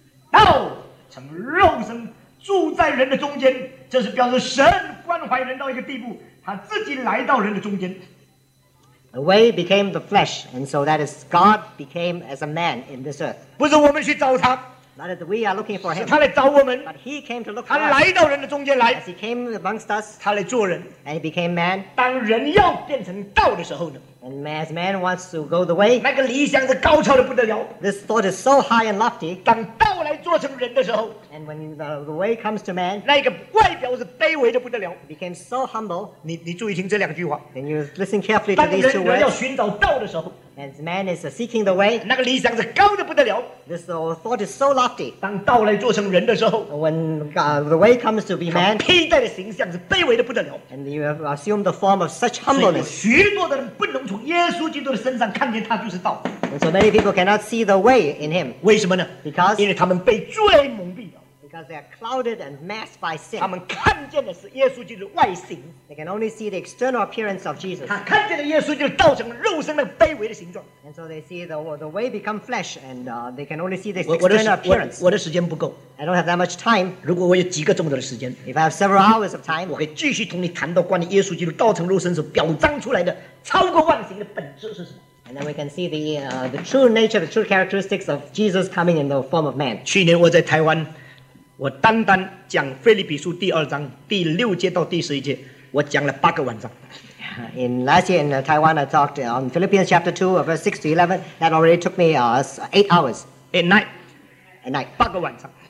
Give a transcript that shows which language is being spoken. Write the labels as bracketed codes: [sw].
[zh] 道成肉身住在人的中间，这是表示神关怀人到一个地步，他自己来到人的中间。 [en] The way became the flesh, and so that is God became as a man in this earth. [zh] 不是我们去找他, [en] But as we are looking for him, [zh] 是他来找我们, [en] but he came to look for [zh] 他来到人的中间来, [en] us. As he came amongst us, [zh] 他来做人, [en] and he became man. [zh] 当人要变成道的时候呢, [en] and as man wants to go the way, [zh] 那个理想是高超的不得了, [en] this thought is so high and lofty. [zh] 当道来做成人的时候, [en] and when the way comes to man, [zh] 那个外表是卑微的不得了, [en] became so humble. [zh] 你注意听这两句话, [en] and you listen carefully to these two words. As man is seeking the way, [zh] 那个理想是高得不得了, [en] this thought is so lofty. [zh] 当道来做成人的时候, [en] when the way comes to be man, [zh] 他披戴的形象是卑微的不得了, [en] and you have assumed the form of such humbleness. [zh] 所以许多的人不能从耶稣基督的身上看见他就是道, [en] and so many people cannot see the way in him. [zh] 为什么呢? [en] Because [zh] 因为他们被罪蒙蔽了, [en] because they are clouded and masked by sin. [zh] 他们看见的是耶稣基督的外形, [en] they can only see the external appearance of Jesus. [zh] 他看见的耶稣基督道成肉身那卑微的形状, [en] and so they see the way become flesh, and they can only see the external appearance. [zh] 我的时间不够, [en] I don't have that much time. [zh] 如果我有几个钟头的时间, [en] if I have several hours of time, [zh] 我可以继续同你谈到关于耶稣基督道成肉身所表彰出来的超过万形的本质是什么, [en] and then we can see the true nature, the true characteristics of Jesus coming in the form of man. [zh] 去年我在台湾, 我单单讲腓立比书第二章第六节到第十一节，我讲了八个晚上。 [en] In last year in Taiwan, I talked on Philippians chapter 2, verse 6 to 11. That already took me 8 hours. At night. [zh] 八个晚上。